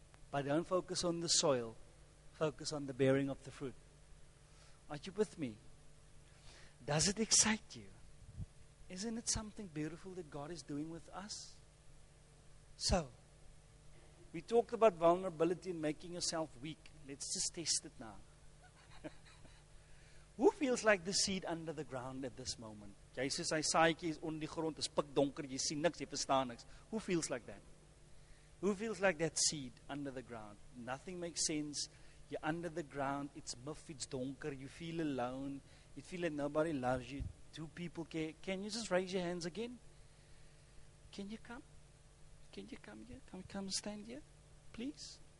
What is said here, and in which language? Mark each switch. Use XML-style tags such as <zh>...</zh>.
<en>But don't focus on the soil. Focus on the bearing of the fruit. Are you with me? Does it excite you? Isn't it something beautiful that God is doing with us? So, we talked about vulnerability and making yourself weak. Let's just test it now. Who feels like the seed under the ground at this moment?</en> <af>Jesus, hy saaitjie is onder die grond, is pikdonker, jy sien niks, jy verstaan niks.</af> <en>Who feels like that? Who feels like that seed under the ground? Nothing makes sense. You're under the ground, it's muff, it's donker, you feel alone, you feel like nobody loves you. Do people care? Can you just raise your hands again? Can you come? Can you come here? Can we come stand here? Please.</en>